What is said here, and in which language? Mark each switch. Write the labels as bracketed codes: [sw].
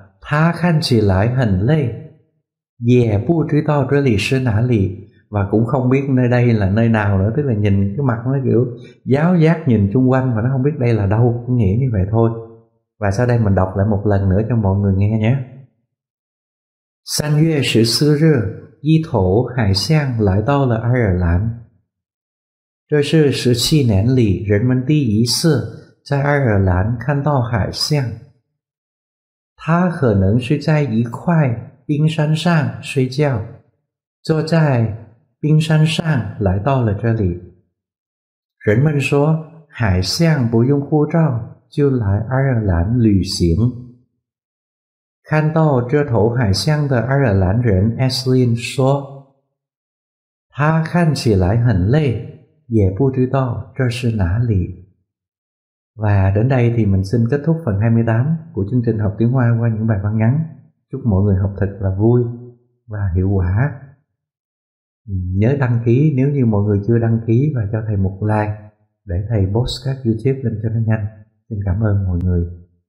[vi] Tha khăn xì lại hình lê dè bu trí to trơ lì sơ nả lì, và cũng không biết nơi đây là nơi nào nữa, tức là nhìn cái mặt nó kiểu giáo giác nhìn xung quanh mà nó không biết đây là đâu, cũng nghĩ như vậy thôi. Và sau đây mình đọc lại một lần nữa cho mọi người nghe nhé. [zh] 3月14日, 一头海象来到了爱尔兰. 这是17年里, 人们第一次在爱尔兰看到海象. 它可能是在一块冰山上睡觉, 坐在 冰山上来到了这里。人们说，海象不用护照就来爱尔兰旅行。看到这头海象的爱尔兰人 Aislinn 说，他看起来很累，也不知道这是哪里。 [vi] Và đến đây thì mình xin kết thúc phần 28 của chương trình học tiếng Hoa qua những bài văn ngắn. Chúc mọi người học thật là vui và hiệu quả. Nhớ đăng ký nếu như mọi người chưa đăng ký và cho thầy một like để thầy post các YouTube lên cho nó nhanh. Xin cảm ơn mọi người.